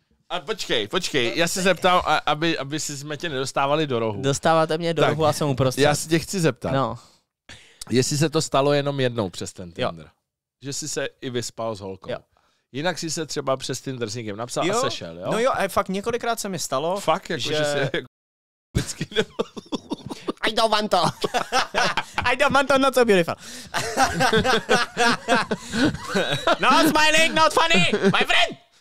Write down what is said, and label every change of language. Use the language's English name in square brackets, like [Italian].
[Czech] A počkej, já se zeptám, aby jsme tě nedostávali do rohu. Dostáváte mě do rohu a jsem uprostřed. Já se tě chci zeptat. Jestli se to stalo jenom jednou přes ten Tinder. Jo. Že jsi se i vyspal s holkou. Jo. Jinak jsi se třeba přes Tinder s někým napsal jo. A sešel, jo? No jo, a fakt několikrát se mi stalo. Fakt, jako že jsi jako vždycky nebyl. [English] I don't want to. I don't want to, not so beautiful. Not smiling, not funny, my friend.